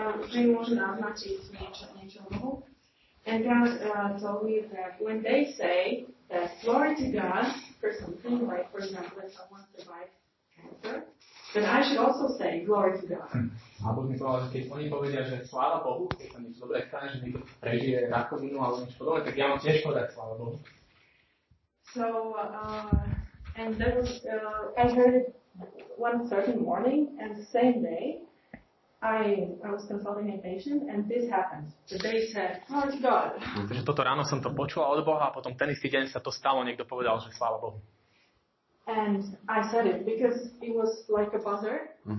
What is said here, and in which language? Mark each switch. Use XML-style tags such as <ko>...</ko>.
<sk>Že im môže naznačiť niečo novú.</sk> <en>And God told me that when they say that glory to God for something, like for example, if someone survived cancer, then I should also say glory to God.</en> <sk>A Boh mi povedal, že keď oni povedia, že sláva Bohu, keď sa niečo dobre stane, že niekto prežije rakovinu alebo niečo podobné, tak ja mám tiež povedať sláva Bohu.</sk> <en>So, and there was, I heard it one certain morning, and the same day, I was consulting a patient, and this happened. The day said, glory to God.</en> <sk>Takže toto ráno som to počul od Boha, a potom ten istý deň sa to stalo, niekto povedal, že sláva Bohu.</sk> <en>And I said it because it was like a buzzer.</en>